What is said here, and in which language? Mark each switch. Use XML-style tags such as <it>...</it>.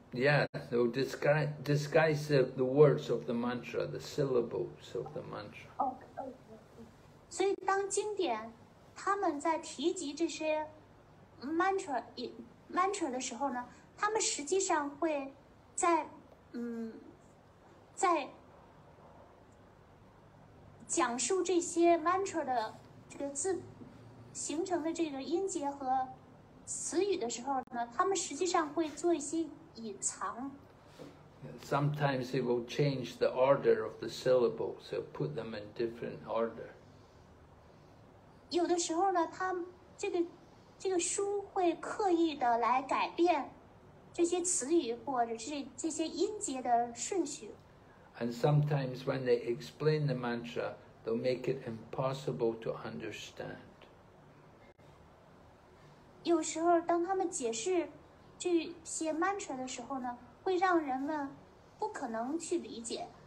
<en>Yeah, they will disguise the words of the mantra, the syllables of the mantra. Okay.</en> <zh>所以当经典他们在提及这些 mantra 的时候呢，他们实际上会在讲述这些 mantra 的这个字形成的这个音节和词语的时候呢，他们实际上会做一些隐藏。</zh> <en>Sometimes they will change the order of the syllables, so put them in different order.</en> <zh>有的时候呢，他这个书会刻意的来改变这些词语或者是这些音节的顺序。</zh> <en>And sometimes when they explain the mantra, they'll make it impossible to understand.</en> <zh>有时候当他们解释这些 mantra 的时候呢，会让人们不可能去理解。</zh>